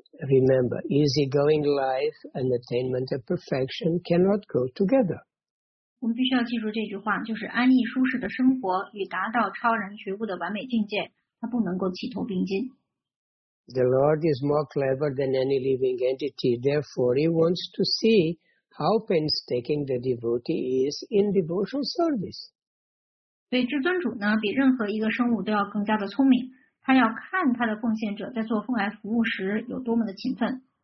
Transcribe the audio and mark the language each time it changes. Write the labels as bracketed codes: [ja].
[en] Remember, easy going life and attainment of perfection cannot go together. [zh] 我们必须要记住这句话，就是安逸舒适的生活与达到超然觉悟的完美境界，它不能够齐头并进。 [en] The Lord is more clever than any living entity. Therefore, He wants to see how painstaking the devotee is in devotional service. [zh] 所以至尊主呢，比任何一个生物都要更加的聪明。他要看他的奉献者在做奉爱服务时有多么的勤奋。